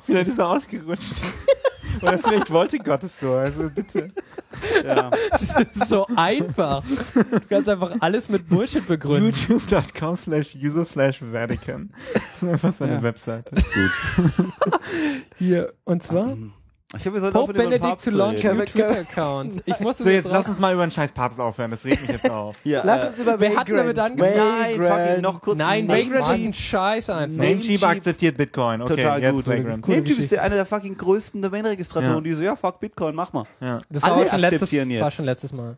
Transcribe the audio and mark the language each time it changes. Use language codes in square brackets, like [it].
[de] Vielleicht ist er ausgerutscht. Oder vielleicht wollte Gott es so, also bitte. Ja. Das ist so einfach. Du kannst einfach alles mit Bullshit begründen. [en] youtube.com/user/Vatican. [de] Das ist einfach seine Webseite. Gut. Hier, und zwar? Ich glaube, wir sollten [en] Pope Benedict to launch new Twitter-Account. [de] Ich muss so, jetzt lass uns mal über einen scheiß Papst aufhören, das regt mich jetzt auf. Ja, lass uns über Vagrant. Wer hat damit angefangen? Nein, Vagrant ist ein Scheiß einfach. Namecheap akzeptiert Bitcoin. Okay, total jetzt gut. Cool. Namecheap ist ja einer der fucking größten Domain-Registratoren, ja, die so, ja, fuck Bitcoin, mach mal. Ja. Das war schon letztes Mal.